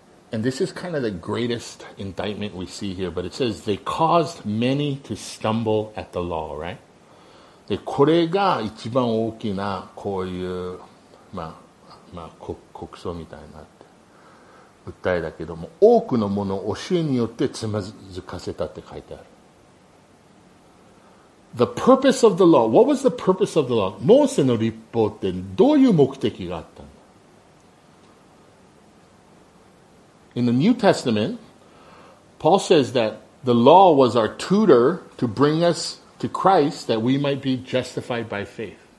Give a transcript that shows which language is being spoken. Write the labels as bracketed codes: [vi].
[en] And this is kind of the greatest indictment we see here, but it says they caused many to stumble at the law, right? [ja] で、これが一番大きなこういう、国訴みたいな訴えだけども、多くのものを教えによってつまずかせたって書いてある。 [en] The purpose of the law. What was the purpose of the law? [ja] モーセの律法ってどういう目的があったの？ [en] In the New Testament, Paul says that the law was our tutor to bring us to Christ that we might be justified by faith.